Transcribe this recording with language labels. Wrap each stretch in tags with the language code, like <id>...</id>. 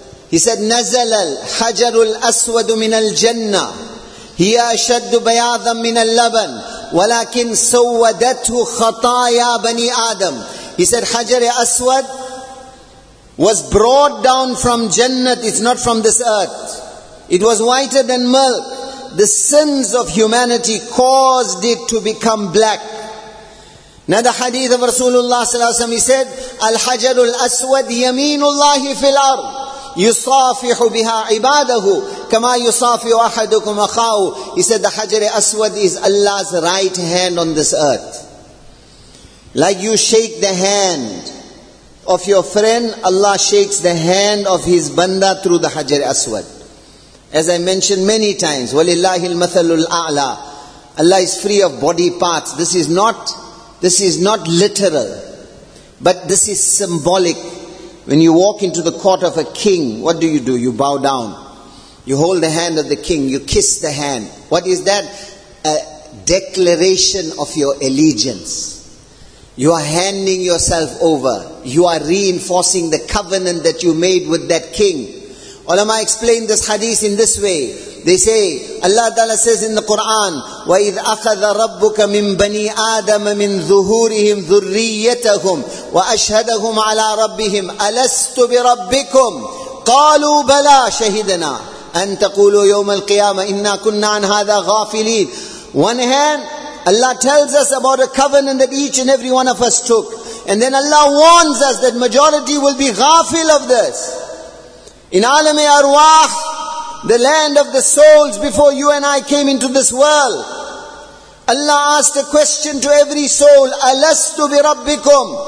<ar>He said, نَزَلَ الْحَجَرُ الْأَسْوَدُ مِنَ الْجَنَّةِ هِيَ أَشَدُّ بَيَاذًا مِنَ اللَّبَنِ وَلَكِنْ سَوَّدَتْهُ خَطَايَا بَنِي آدَمْ</ar> <en>He said, Hajar-e-Aswad was brought down from Jannat. It's not from this earth. It was whiter than milk. The sins of humanity caused it to become black. Now the hadith of Rasulullah sallallahu alaihi wasallam, he said,</en> <ar>Al-Hajar al-Aswad yameenullahi fil ard. يصافح بها عباده كما يصافح أحدكم أخاه.</ar> <en>He said the Hajar al-Aswad is Allah's right hand on this earth. Like you shake the hand of your friend, Allah shakes the hand of His banda through the Hajar al-Aswad. As I mentioned many times,</en> <ar>وَلِلَّهِ الْمَثَلُ الْأَعْلَى.</ar> <en>Allah is free of body parts. This is not literal, but this is symbolic. When you walk into the court of a king, what do? You bow down. You hold the hand of the king. You kiss the hand. What is that? A declaration of your allegiance. You are handing yourself over. You are reinforcing the covenant that you made with that king. Ulama explain this hadith in this way. They say, Allah Ta'ala says in the Quran,</en> <ar>وَإِذْ أَخَذَ رَبُّكَ مِنْ بَنِي آدَمَ مِنْ ظُهُورِهِمْ ذُرِّيَّتَهُمْ وَأَشْهَدَهُمْ عَلَىٰ رَبِّهِمْ أَلَسْتُ بِرَبِّكُمْ قَالُوا بَلَىٰ شَهِدَنَا أَن تَقُولُوا يَوْمَ الْقِيَامَةِ إِنَّا كُنَّا عَنْ هَذَا غَافِلِينَ.</ar> <en>One hand, Allah tells us about a covenant that each and every one of us took. And then Allah warns us that majority will be ghafil of this. In alam-e arwah, the land of the souls before you and I came into this world, Allah asked a question to every soul,</en> <ar>Alastu bi rabbikum?</ar>